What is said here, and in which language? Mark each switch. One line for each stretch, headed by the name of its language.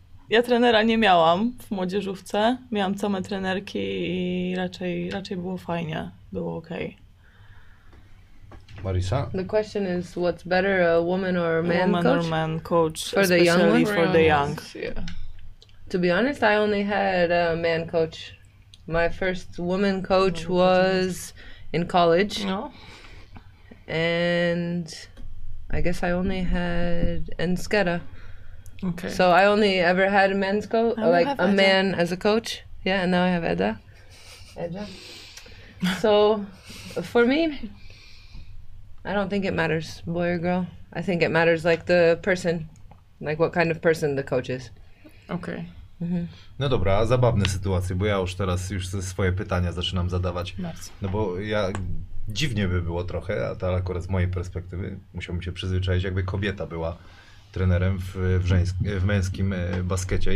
Polish: Ja trenera nie miałam w młodzieżówce. Miałam same trenerki i raczej było fajnie, było okej. Marisa?
English: The question is, what's better, a woman or a man woman coach? Or man coach, for the young ones? For the young. Yeah. To be honest, I only had a man coach. My first woman coach was in college. No. And I guess I only had Enskeda. Okay. So I only ever had a man's coach, like a man as a coach. Yeah, and now I have Edda. Edda. So for me, I don't think it matters, boy or girl. I think it matters like the person, like what kind of person the coach is. Okay.
Polish: No dobra, zabawne sytuacje, bo ja już teraz już swoje pytania zaczynam zadawać. No bo ja, dziwnie by było trochę, ale akurat z mojej perspektywy musiałbym się przyzwyczaić, jakby kobieta była trenerem w męskim baskecie.